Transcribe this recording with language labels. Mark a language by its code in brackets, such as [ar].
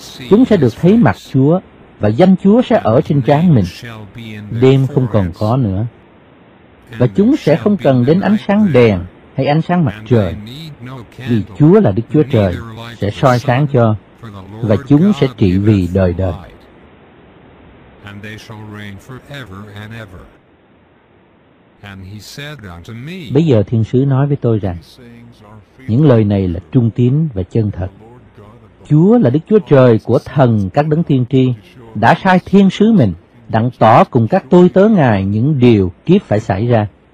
[vi] Chúng sẽ được thấy mặt Chúa, và danh Chúa sẽ ở trên trán mình. Đêm không còn có nữa. Và chúng sẽ không cần đến ánh sáng đèn hay ánh sáng mặt trời, vì Chúa là Đức Chúa Trời sẽ soi sáng cho, và chúng sẽ trị vì đời đời. [en] And they shall reign forever and ever. And he said unto me, [vi] bây giờ thiên sứ nói với tôi rằng, những lời này là trung tín và chân thật. Chúa là Đức Chúa Trời của thần các đấng tiên tri, đã sai thiên sứ mình, đặng tỏ cùng các tôi tớ Ngài những điều kiếp phải xảy ra.